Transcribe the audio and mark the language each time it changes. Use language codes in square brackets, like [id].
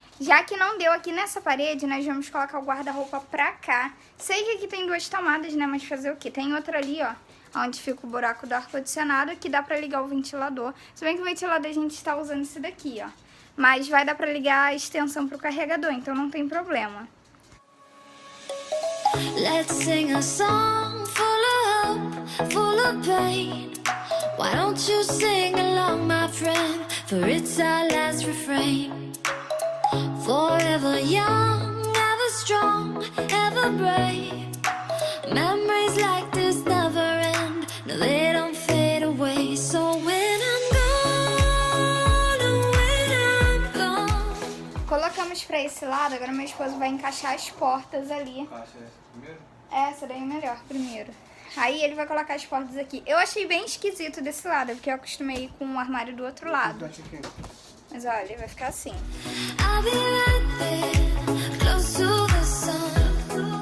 [pt] Já que não deu aqui nessa parede, nós vamos colocar o guarda-roupa pra cá. Sei que aqui tem duas tomadas, né? Mas fazer o quê? Tem outra ali, ó. Onde fica o buraco do ar-condicionado, que dá pra ligar o ventilador. Se bem que o ventilador a gente tá usando esse daqui, ó. Mas vai dar pra ligar a extensão pro carregador, então não tem problema. [en] Let's sing a song full of hope, full of pain. Why don't you sing along, my friend, for it's our last refrain. Forever young, ever strong, ever brave. Memories like this never end, no, they don't fade away. So when I'm gone, when I'm gone. [pt] Colocamos pra esse lado, agora meu esposo vai encaixar as portas ali. Acha essa primeiro? Essa daí é melhor, primeiro. Aí ele vai colocar as portas aqui. Eu achei bem esquisito desse lado, porque eu acostumei com o armário do outro lado. Mas olha, vai ficar assim. [en] I'll be right there, close to the sun.